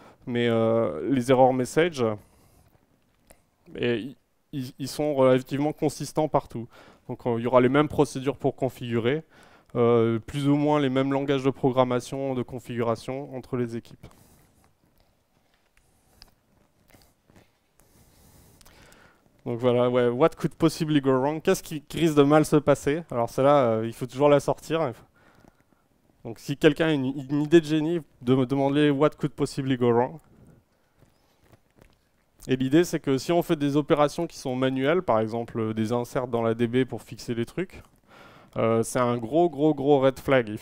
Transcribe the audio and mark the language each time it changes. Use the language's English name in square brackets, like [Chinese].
[French] mais les erreurs message, ils sont relativement consistants partout. Donc il y aura les mêmes procédures pour configurer, plus ou moins les mêmes langages de programmation, de configuration entre les équipes. [English] Donc voilà, ouais, what could possibly go wrong? [French] Qu'est-ce qui risque de mal se passer? Alors celle-là, il faut toujours la sortir. Donc si quelqu'un a une idée de génie, de me demander [English] what could possibly go wrong. [French] Et l'idée, c'est que si on fait des opérations qui sont manuelles, par exemple des inserts dans la DB pour fixer les trucs, c'est un gros red flag.